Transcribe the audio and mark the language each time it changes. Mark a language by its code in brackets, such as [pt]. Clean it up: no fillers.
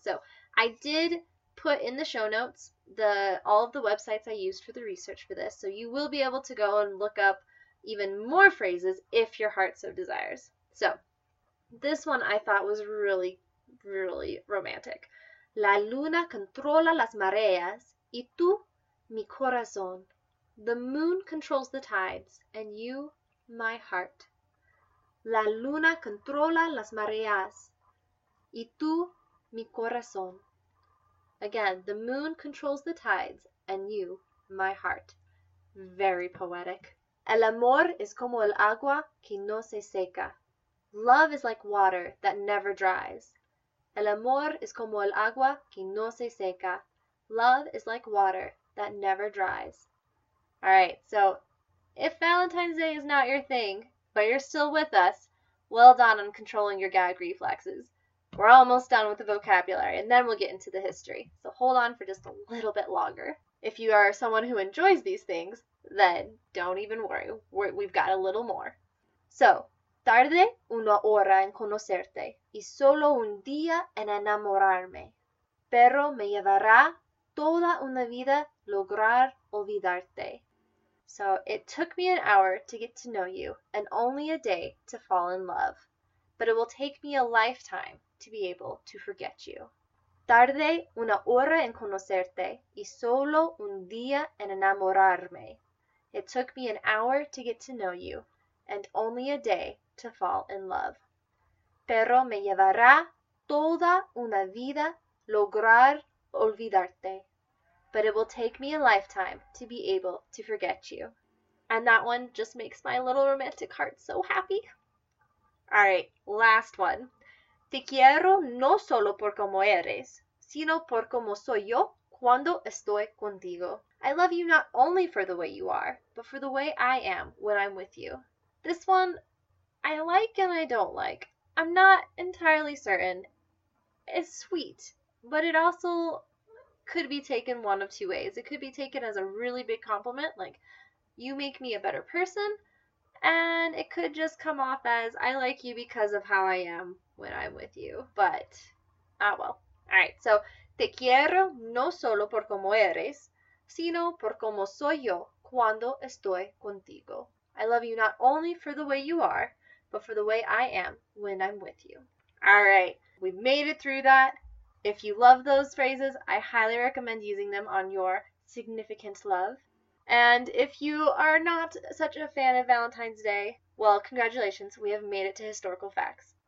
[en] So, I did put in the show notes all of the websites I used for the research for this, so you will be able to go and look up even more phrases if your heart so desires. So, this one I thought was really romantic. [es] La luna controla las mareas y tú, mi corazón. [en] The moon controls the tides and you, my heart. [es] La luna controla las mareas y tú, mi corazón. [en] Again, the moon controls the tides and you, my heart. Very poetic. [es] El amor es como el agua que no se seca. [en] Love is like water that never dries. [es] El amor es como el agua que no se seca. [en] Love is like water that never dries. Alright, so if Valentine's Day is not your thing, but you're still with us, well done on controlling your gag reflexes. We're almost done with the vocabulary, and then we'll get into the history. So hold on for just a little bit longer. If you are someone who enjoys these things, then don't even worry. We've got a little more. [es] So, tarde una hora en conocerte y solo un día en enamorarme, pero me llevará toda una vida lograr olvidarte. [en] So it took me an hour to get to know you and only a day to fall in love. But it will take me a lifetime to be able to forget you. [es] Tardé una hora en conocerte y solo un día en enamorarme. [en] It took me an hour to get to know you and only a day to fall in love. [es] Pero me llevará toda una vida lograr olvidarte. [en] But it will take me a lifetime to be able to forget you. And that one just makes my little romantic heart so happy. All right, last one. [es] Te quiero no solo por como eres, sino por como soy yo cuando estoy contigo. [en] I love you not only for the way you are, but for the way I am when I'm with you. This one, I like and I don't like. I'm not entirely certain. It's sweet, but it also could be taken one of two ways. It could be taken as a really big compliment, like, you make me a better person. And it could just come off as, I like you because of how I am when I'm with you. But, ah, well. [es] All right, so, te quiero no solo por como eres, sino por como soy yo cuando estoy contigo. [en] I love you not only for the way you are, but for the way I am when I'm with you. All right, we've made it through that. If you love those phrases, I highly recommend using them on your significant love. And if you are not such a fan of Valentine's Day, well, congratulations, we have made it to historical facts.